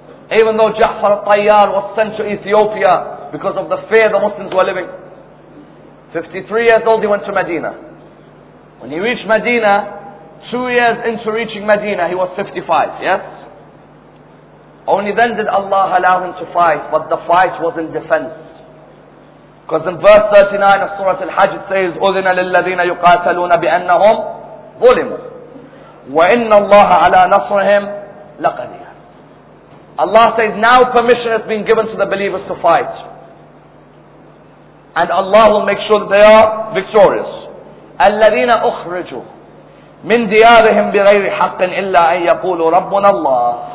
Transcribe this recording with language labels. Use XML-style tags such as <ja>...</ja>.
<en>Even though Ja'far al-Tayyar was sent to Ethiopia because of the fear the Muslims were living. 53 years old, he went to Medina. When he reached Medina, 2 years into reaching Medina, he was 55, yes? Only then did Allah allow him to fight, but the fight was in defense. Because in verse 39 of Surah Al-Hajj it says,</en> <ar>أُذِنَ لِلَّذِينَ يُقَاتَلُونَ بِأَنَّهُمْ ظُلِمُوا وَإِنَّ اللَّهَ عَلَى نَصْرِهِمْ لَقَدِيرٌ.</ar> <en>Allah says, now permission has been given to the believers to fight. And Allah will make sure that they are victorious.</en> <ar>الَّذِينَ أُخْرِجُوا مِنْ دِيَارِهِمْ بِغَيْرِ حَقٍ إِلَّا أَنْ يَقُولُوا رَبُّنَا اللَّهُ.</ar>